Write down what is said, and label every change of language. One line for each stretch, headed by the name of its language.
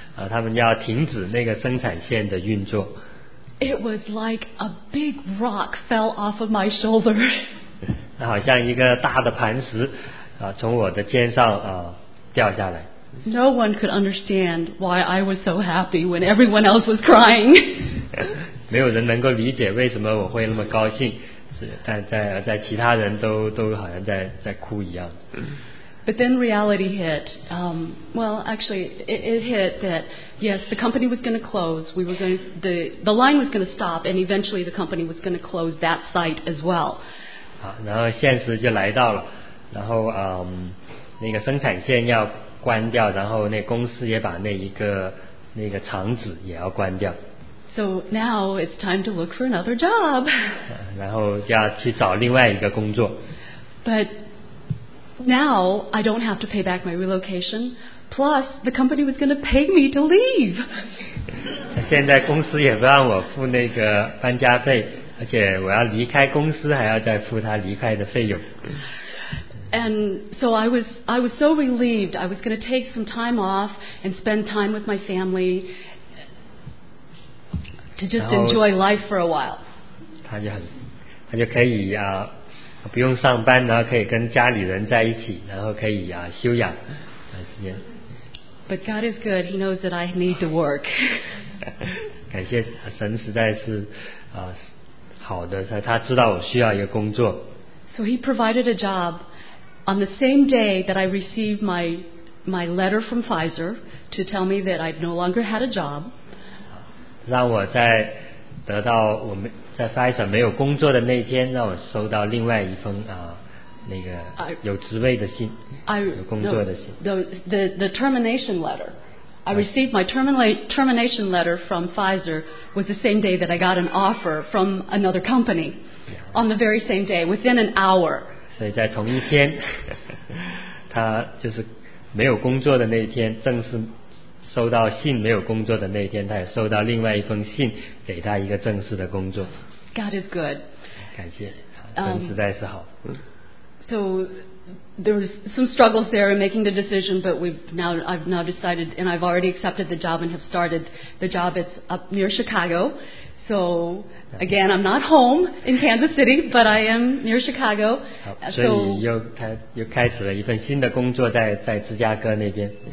Chinese: 他们要停止那个生产线的运作。
English: It was like a big rock fell off of my shoulder.
Chinese: 好像一个大的磐石从我的肩上掉下来。
English: No one could understand why I was so happy when everyone else was crying.
Chinese: 没有人能够理解为什么我会那么高兴，是但在其他人都好像在哭一样。
English: But then reality hit. Well, actually, it hit that, yes, the company was going to close. The line was going to stop, and eventually the company was going to close that site as well.
Chinese: 好，然后现实就来到了，然后那个生产线要关掉，然后那公司也把那个厂址也要关掉。
English: So now it's time to look for another job.
Chinese: 然后要去找另外一个工作。
English: But now I don't have to pay back my relocation. Plus, the company was going to pay me to leave.
Chinese: 现在公司也不让我付那个搬家费，而且我要离开公司还要再付他离开的费用。
English: And so I was so relieved. I was going to take some time off and spend time with my family to just enjoy life for a while.
Chinese: 他就可以啊。不用上班，然后可以跟家里人在一起，然后可以啊休养时间。
English: But God is good; He knows that I need to work.
Chinese: 感谢神，实在是好的，他知道我需要一个工作。
English: So He provided a job on the same day that I received my letter from Pfizer to tell me that I'd no longer had a job.
Chinese: 让我在得到我们。在 Pfizer 没有工作的那天，让我收到另外一封那个有职位的信，有工作的信。
English: The termination letter. I received my termination letter from Pfizer was the same day that I got an offer from another company. On the very same day, within an hour.
Chinese: 所以在同一天，他就是没有工作的那天，正式收到信没有工作的那天，他也收到另外一封信，给他一个正式的工作。
English: God is good.
Chinese: 感谢，神实在是好。
English: So there's some struggles there in making the decision, but I've now decided, and I've already accepted the job and have started the job. It's up near Chicago. So again, I'm not home in Kansas City, but I am near Chicago.
Chinese: 好，所以又开始了一份新的工作在芝加哥那边。